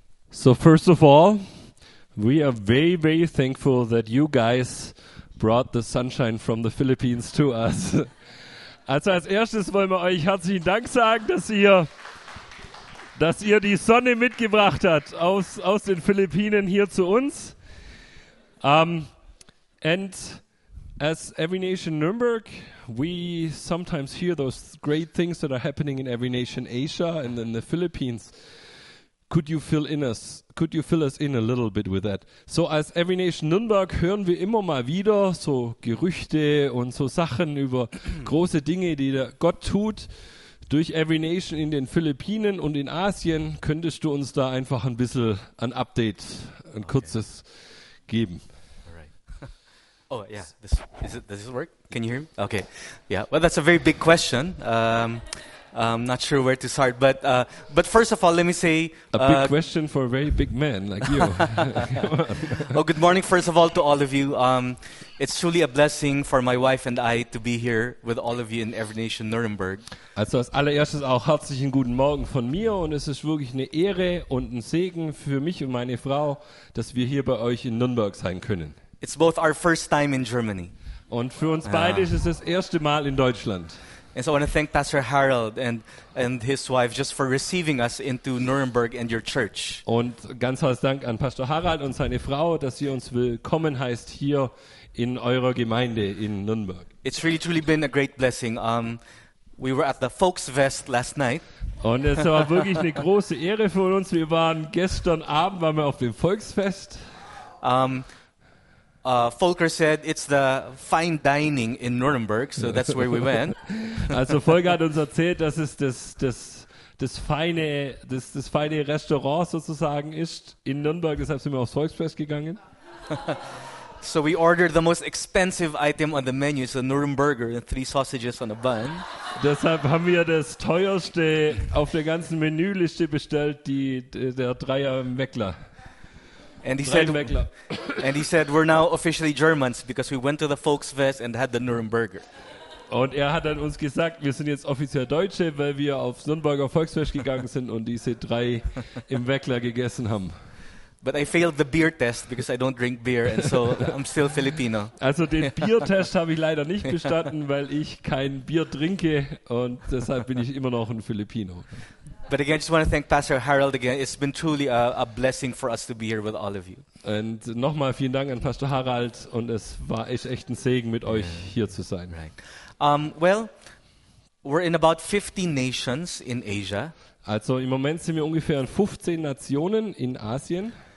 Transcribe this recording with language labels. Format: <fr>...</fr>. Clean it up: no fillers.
<en>So first of all, we are very, very thankful that you guys brought the sunshine from the Philippines to us.</en> <de>Also als erstes wollen wir euch herzlichen Dank sagen, dass ihr die Sonne mitgebracht habt aus den Philippinen hier zu uns.</de> <en>And as Every Nation Nuremberg, we sometimes hear those great things that are happening in Every Nation Asia and in the Philippines. Could you fill us in a little bit with that?</en> <de>So als Every Nation Nuremberg hören wir immer mal wieder so Gerüchte und so Sachen über große Dinge, die der Gott tut durch Every Nation in den Philippinen und in Asien. Könntest du uns da einfach ein bisschen ein Update, ein kurzes geben?</de> <en>Oh yeah, does this work? Can you hear me? Okay, yeah. Well, that's a very big question. I'm not sure where to start, but first of all, let me say a big question for a very big man like you. Oh, good morning, first of all, to all of you. It's truly a blessing for my wife and I to be here with all of you in Every Nation Nuremberg.</en> <de>Also als allererstes auch herzlichen guten Morgen von mir, und es ist wirklich eine Ehre und ein Segen für mich und meine Frau, dass wir hier bei euch in Nuremberg sein können.</de> <en>It's both our first time in Germany.</en> <de>Und für uns beide ist es das erste Mal in Deutschland.</de> <en>And so I want to thank Pastor Harold and his wife just for receiving us into Nuremberg and your church.</en> <de>Und ganz herzlichen Dank an Pastor Harald und seine Frau, dass sie uns willkommen heißt hier in eurer Gemeinde in Nuremberg.</de> <en>It's really truly been a great blessing. We were at the Volksfest last night.</en> <de>Und es war wirklich eine große Ehre für uns. Wir waren gestern Abend waren wir auf dem Volksfest.</de> <en>Volker said it's the fine dining in Nuremberg, so that's where we went.</en> <de>Also Volker hat uns erzählt, dass es das feine Restaurant sozusagen ist in Nuremberg, deshalb sind wir aufs Volksfest gegangen.</de> <en>So we ordered the most expensive item on the menu, so Nuremberger and 3 sausages on a bun.</en> <de>Deshalb haben wir das teuerste auf der ganzen Menüliste bestellt, der Dreier Meckler.</de> <en>And he said, we're now officially Germans because we went to the Volksfest and had the Nuremberger.</en> <de>Und er hat dann uns gesagt, wir sind jetzt offiziell Deutsche, weil wir aufs Nürnberger Volksfest gegangen sind und diese drei im Weckler gegessen haben.</de> <en>But I failed the beer test because I don't drink beer, and so I'm still Filipino.</en> <de>Also den Biertest habe ich leider nicht bestanden, weil ich kein Bier trinke, und deshalb bin ich immer noch ein Filipino.</de> <en>But again, I just want to thank Pastor Harold again. It's been truly a blessing for us to be here with all of you.</en> <de>Und nochmal vielen Dank an Pastor Harald, und es war echt ein Segen, mit euch hier zu sein.</de> <en>Right. Well, we're in about 15 nations in Asia.</en> <de>Also im Moment sind wir ungefähr in 15 Nationen in Asien.</de>